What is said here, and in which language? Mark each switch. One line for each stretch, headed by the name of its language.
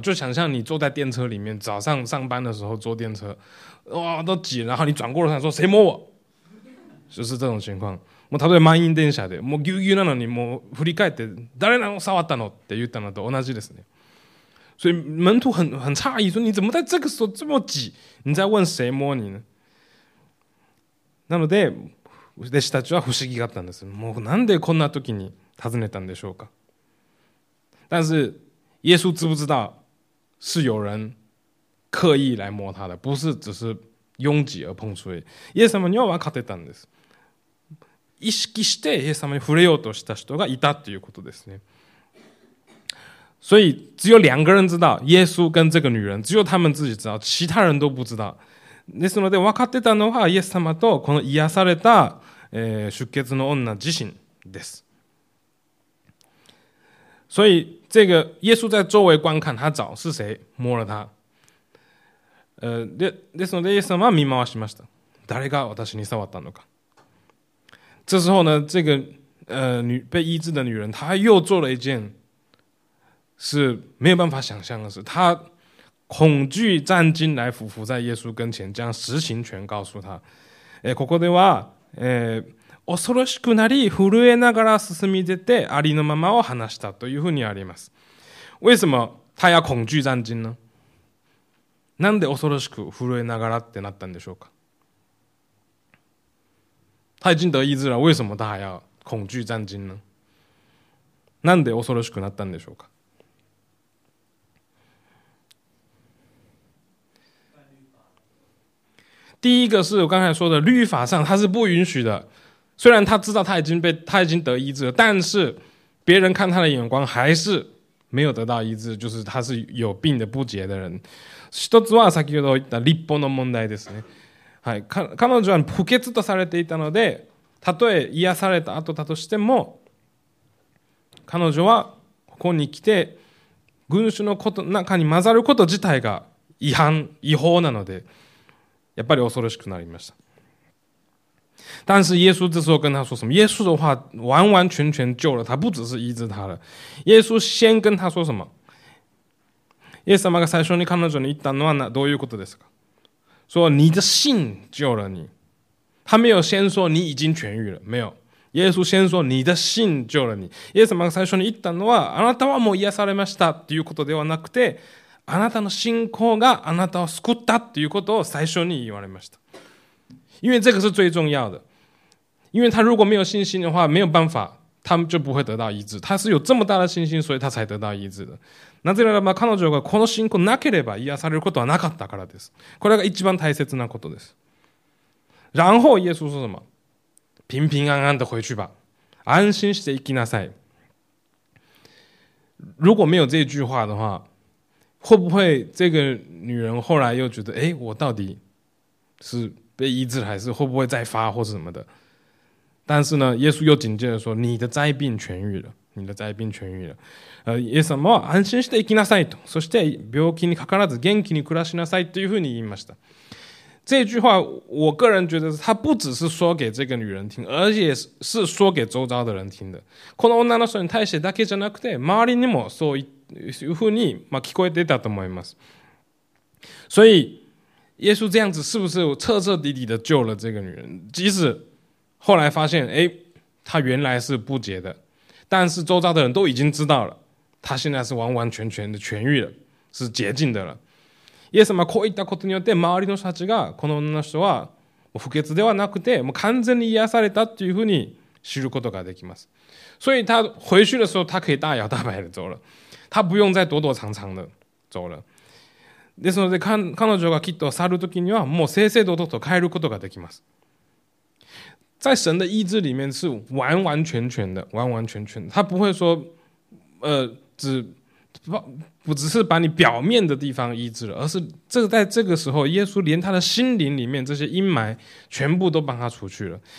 Chinese: 就想象你坐在电车里面，早上上班的时候坐电车，哇，都挤，然后你转过头说谁摸我？就是这种情况。
Japanese: もう例えば満員電車で、もうぎゅうぎゅうなのに、もう振り返って誰なの触ったのって言ったのと同じですね。
Chinese: 所以门徒很诧异，说你怎么在这个时候这么挤？你在问谁摸你呢？
Japanese: なので弟子たちは不思議があったんです。もうなんでこんな時に尋ねたんでしょうか。
Chinese: 但是耶稣知不知道是有人刻意来摸他的，不是只是拥挤而碰触。
Japanese: イエス様には分かってたんです。意識してイエス様に触れようとした人がいたということですね。
Chinese: 所以只有两个人知道，耶稣跟这个女人，只有他们自己知道，其他人都不知道。
Japanese: ですので分かってたのはイエス様とこの癒された出血の女自身です。
Chinese: 所以这个耶稣在周围观看，他找是谁摸了他。
Japanese: ですのでイエス様は見回しました。誰が私に触ったのか。
Chinese: 这时候呢，这个被医治的女人，她又做了一件是没有办法想象的事，她恐惧战惊来俯伏在耶稣跟前，将实情全告诉他。
Japanese: ここでは恐ろしくなり震えながら進み出てありのままを話したというふうにあります。
Chinese: 为什么他要恐惧战惊呢？
Japanese: なんで恐ろしく震えながらってなったんでしょうか？
Chinese: 他已经得医治了，为什么他还要恐惧战惊呢？
Japanese: なんで恐ろしくなったんでしょうか？
Chinese: 第一个是我刚才说的，律法上他是不允许的。虽然他知道他已经得医治了，但是别人看他的眼光还是没有得到医治，就是他是有病的不洁的人。
Japanese: 一つは先ほど言った立法の問題ですね。はい、彼女は不潔とされていたので、たとえ癒された後だとしても、彼女はここに来て群衆のこと中に混ざること自体が違反違法なので、やっぱり恐ろしくなりました。
Chinese: 但是耶稣这时候跟他说什么？耶稣的话完完全全救了他，不只是医治他了。耶稣先跟他说什么？
Japanese: 耶稣様が最初に彼女に言ったのはどういうことですか？
Chinese: 说你的信救了你。他没有先说你已经痊愈了，没有。耶稣先说你的信救了你。
Japanese: 耶稣様が最初に言ったのはあなたはもう癒されましたということではなくて、あなたの信仰があなたを救ったということを最初に言われました。
Chinese: 因为这个是最重要的，因为他如果没有信心的话，没有办法，他就不会得到医治。他是有这么大的信心，所以他才得到医治的。
Japanese: なぜならば彼女がこの信仰なければ癒されることはなかったからです。これが一番大切なことです。
Chinese: 然后耶稣说什么？平平安安的回去吧，
Japanese: 安心して行きなさい。
Chinese: 如果没有这句话的话，会不会这个女人后来又觉得，哎，我到底是？被医治还是会不会再发或是什么的？但是呢，耶稣又紧接着说：“你的灾病痊愈了，你的灾病痊愈了。”
Japanese: 耶稣も安心して生きなさいと、そして病気にかからず元気に暮らしなさいというふうに言いました。
Chinese: 这句话，我个人觉得他不只是说给这个女人听，而且是说给周遭的人听的。
Japanese: この女の人に対してだけじゃなくて、周りにもそういうふうに聞こえてたと思います。
Chinese: 所以耶稣这样子是不是彻彻底底的救了这个女人？即使后来发现，哎，她原来是不洁的，但是周遭的人都已经知道了，她现在是完完全全的痊愈了，是洁净的了。
Japanese: イエス様こういったことによって、周りの人たちがこの女の人は不潔ではなくて、もう完全に癒されたというふうに知ることができます。
Chinese: 所以他回去的时候，他可以大摇大摆的走了，他不用再躲躲藏藏的走了。
Japanese: ですので、彼女がきっと去るときにはもう正々堂々と帰ることができます。
Chinese: 在神的意志里面是完完全全的，完完全全的。他不会说，只是把你表面的地方医治了，而是这个在这个时候，耶稣连他的心灵里面这些阴霾全部都帮他除去了。